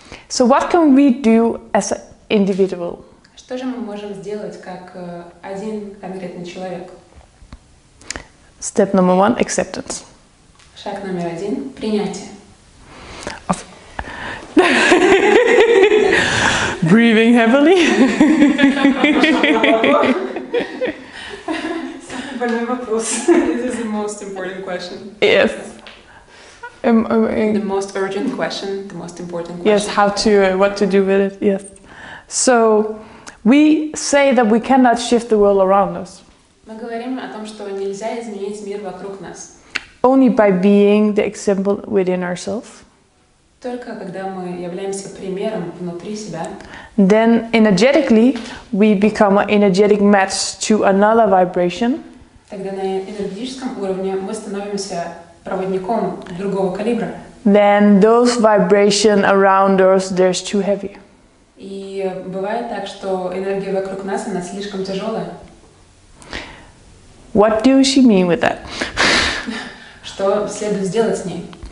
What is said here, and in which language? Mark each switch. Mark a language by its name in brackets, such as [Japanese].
[English] So what can we do as an individual? [Russian] Что же мы можем сделать как один конкретный человек? [English] Step number one, acceptance. [Russian] Шаг номер один – принятие. [English] Breathing heavily. [Russian] Самый больной вопрос. [English] This is the most important question. Yes. The most urgent question, the most important question. Yes, how to, what to do with it, yes. So, we say that we cannot shift the world around us. [Russian] Мы говорим о том, что нельзя изменить мир вокруг нас. [English] Only by being the example within ourselves. [Russian] Только когда мы являемся примером внутри себя. [English] Then energetically we become an energetic match to another vibration. [Russian] Тогда на энергетическом уровне мы становимся проводником другого калибра. [English] Then those vibrations around us, they're too heavy. [Russian] И бывает так, что энергия вокруг нас, она слишком тяжелая. [English] What do she mean with that? [Russian] Что следует сделать с ней?